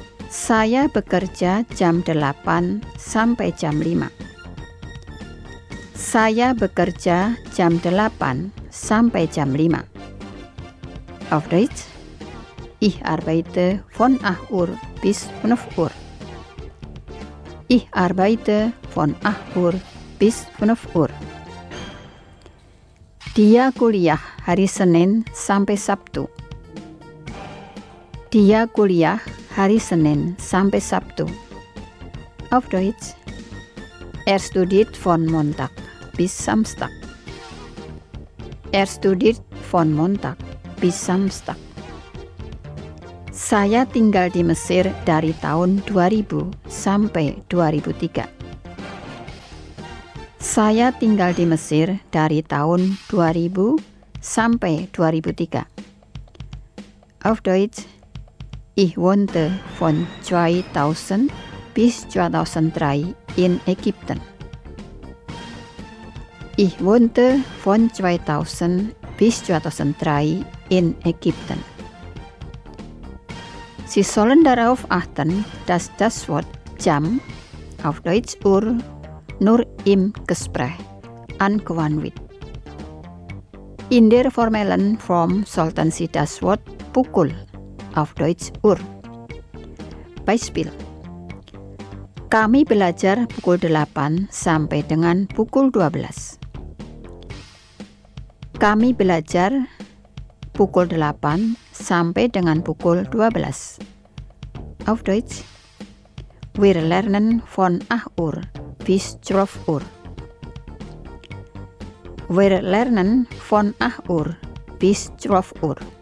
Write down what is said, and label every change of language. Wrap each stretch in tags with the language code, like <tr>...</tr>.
<id>Saya bekerja jam 8 sampai jam 5. Saya bekerja jam 8 sampai jam 5.</id> <de>Auf Deutsch. Ich arbeite von 8 Uhr bis 5 Uhr. Ich arbeite von 8 Uhr bis 5 Uhr.</de> <id>Dia kuliah hari Senin sampai Sabtu. Dia kuliah hari Senin sampai Sabtu.</id> <de>Auf Deutsch. Studiert von Montag bis Samstag. Studiert von Montag bis Samstag.</de> <id>Saya tinggal di Mesir dari tahun 2000 sampai 2003. Saya tinggal di Mesir dari tahun 2000 sampai 2003.</id> <de>Auf Deutsch. Ich wohnte von 2000 bis 2003 in Ägypten. Ich wohnte von 2000 bis 2003 in Ägypten. Sie sollen darauf achten, dass das Wort Jam auf Deutsch Uhr nur im Gespräch angewandt wird. In der formellen Form sollten Sie das Wort Pukul auf Deutsch Uhr. Beispiel.</de> <id>Kami belajar pukul 8 sampai dengan pukul 12. Kami belajar pukul 8 sampai dengan pukul 12.</id> <de>Auf Deutsch. Wir lernen von 8 Uhr bis 12 Uhr. Wir lernen von 8 Uhr bis 12 Uhr.</de>